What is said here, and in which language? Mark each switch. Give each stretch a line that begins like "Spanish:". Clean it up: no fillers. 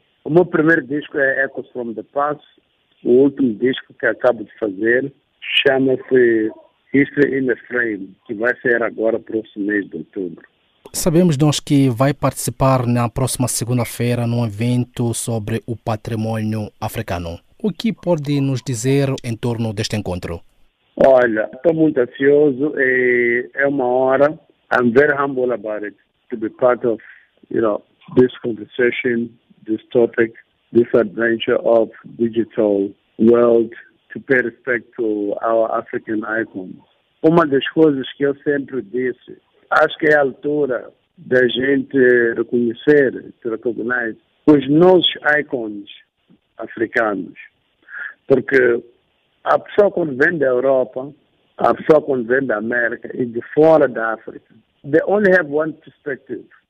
Portuguese: O meu primeiro disco é Echoes from the Past. O último disco que acabo de fazer chama-se History in a Frame, que vai sair agora, próximo mês de outubro. Sabemos nós que vai participar na próxima segunda-feira num evento sobre o patrimônio africano. O que pode nos dizer em torno deste encontro? Olha, estou muito ansioso e é uma honra.
English: I'm very humble about it, to be part of, you know, this conversation, this topic, this adventure of digital world, to pay respect to our African icons.
Portuguese: Uma das coisas que eu sempre disse, acho que é a altura da gente reconhecer,
English: to recognize,
Portuguese: os nossos icons africanos. Porque a pessoa quando vem da Europa, a pessoa quando vem da América e de fora da África,
English: they only have one perspective.